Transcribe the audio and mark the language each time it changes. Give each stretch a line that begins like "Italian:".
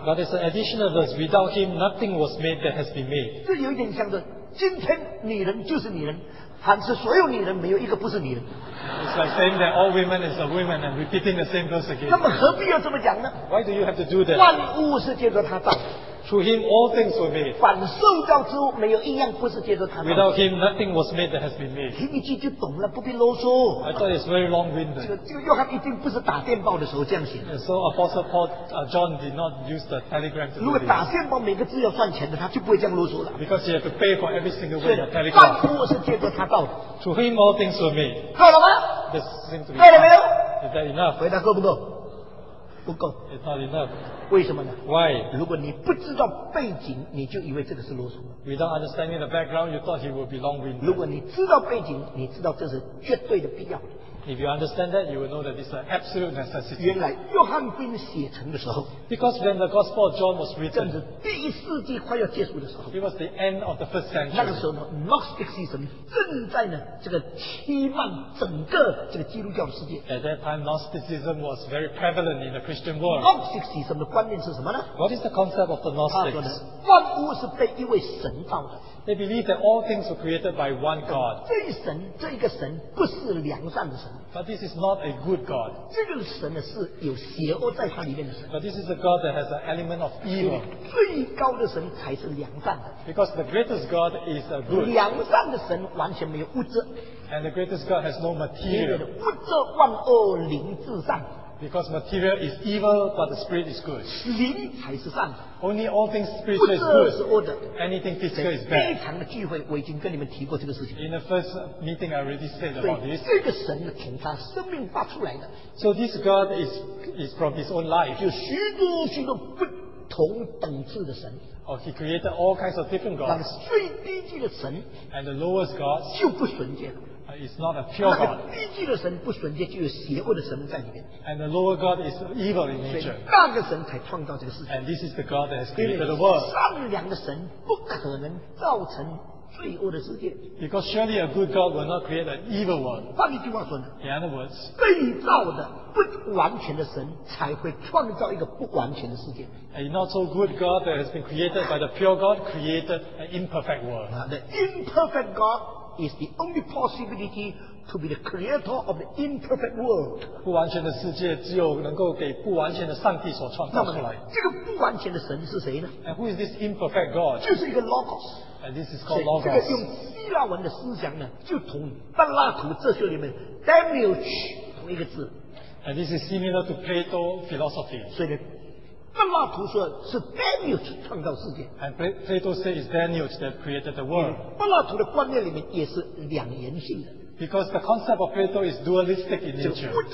English: but it's an additional verse, without him nothing was made that has been made.
Chinese: 这有点像是今天女人就是女人, 凡是所有女人,
English: it's like saying that all women is a woman and repeating the same verse again.
Chinese: 那么何必要这么讲呢?
English: Why do you have to do that?
Chinese: 万物是借着他造,
English: through him all things were made.
Chinese: 反受造之物没有一样不是借着他造,
English: without him nothing was made that has been made.
Chinese: 听一句就懂了, 不必啰嗦,
English: I thought it's very long-winded.
Chinese: 这个约翰一定不是打电报的时候这样写,
English: and so Apostle Paul, John did not use the telegram to do this.
Chinese: 如果打电报每个字要算钱的, 他就不会这样啰嗦了,
English: because you have to pay for every single word of telegram.
Chinese: 万物是借着他造的,
English: through him all things were made.
Chinese: 够了吗?
English: This seems to be
Chinese: 够了没有?
English: Is that enough?
Chinese: 回答够不够?不够,
English: it's not enough.
Chinese: 为什么呢?
English: Why?
Chinese: 如果你不知道背景, 你就以为这个是啰嗦,
English: without understanding the background, you thought he would be long-winded.
Chinese: 如果你知道背景, 你知道这是绝对的必要,
English: if you understand that, you will know that this is an absolute necessity.
Chinese: 原来约翰福音写成的时候,
English: because when the Gospel of John was written,
Chinese: 正是第一世纪快要结束的时候,
English: it was the end of the first century.
Chinese: 那个时候呢, Gnostic system 正在呢, 这个欺瞒整个这个基督教的世界,
English: at that time Gnosticism was very prevalent in the Christian world.
Chinese: Gnostic system 的观念是什么呢?
English: What is the concept of the Gnostics?
Chinese: 他说呢, 万物是被一位神造的,
English: they believe that all things were created by one God.
Chinese: 这一神, 这一个神不是良善的神,
English: but this is not a good God.
Chinese: 这个神呢是有邪恶在它里面的神,
English: but this is a God that has an element of evil.
Chinese: 最高的神才是良善的,
English: because the greatest God is a good.
Chinese: 良善的神完全没有物质,
English: and the greatest God has no material.
Chinese: 物质万恶灵至善,
English: because material is evil, but the spirit is good.
Chinese: 灵才是善的,
English: only all things spiritual is good. Anything physical is bad.
Chinese: 非常的聚会,
English: in the first meeting, I already said about this. So this God is from his own life.
Chinese: 有许多许多不同等次的神,
English: or he created all kinds of different gods.
Chinese: 最低级的神,
English: and the lowest God
Chinese: 就不纯洁了,
English: it's not a pure God.
Chinese: 低级的神不纯洁就有邪恶的神在里面,
English: and the lower God is evil in nature.
Chinese: 大个神才创造这个世界,
English: and this is the God that has created the world.
Chinese: 善良的神不可能造成
English: Because surely a good God will not create an evil one.
Chinese: 换一句话说呢,
English: in other words,
Chinese: 被造的不完全的神才会创造一个不完全的世界。
English: A not so good God that has been created by the pure God created an imperfect world. Now, the imperfect God is the only possibility to be the creator of the imperfect world.
Chinese: 不完全的世界只有能够给不完全的上帝所创造出来。那么这个不完全的神是谁呢?
English: And who is this imperfect God?
Chinese: 就是一个 Logos.
English: And this is called Logos.
Chinese: 这个用希腊文的思想呢, 就同柏拉图哲学里面 Demiurge 同一个字。
English: And this is similar to Plato philosophy.
Chinese: 所以呢, 柏拉图说是 Demiurge 创造世界。
English: And Plato says Demiurge that created the world.
Chinese: 柏拉图的观念里面也是两元性的。
English: Because the concept of Plato is dualistic in nature.